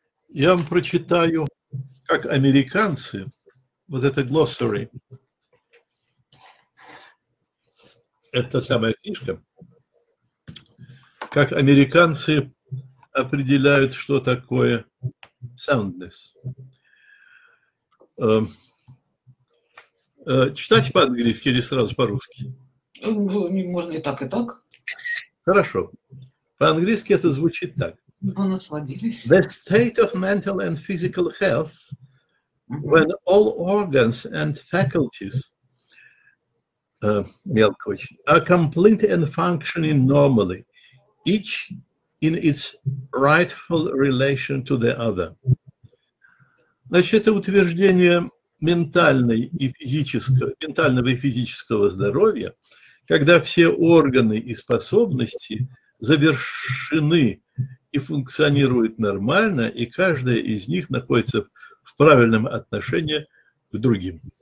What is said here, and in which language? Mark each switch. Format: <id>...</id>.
<ru>Я вам прочитаю, как американцы, вот это glossary, это самая книжка, как американцы определяют, что такое soundness. Читать по-английски или сразу по-русски? Можно и так, и так. Хорошо. По-английски это звучит так. Вы насладились.</ru> <en>The state of mental and physical health when all organs and faculties are complete and functioning normally, each in its rightful relation to the other.</en> <ru>Значит, это утверждение ментального и физического здоровья, когда все органы и способности завершены и функционируют нормально, и каждая из них находится в правильном отношении к другим.</ru>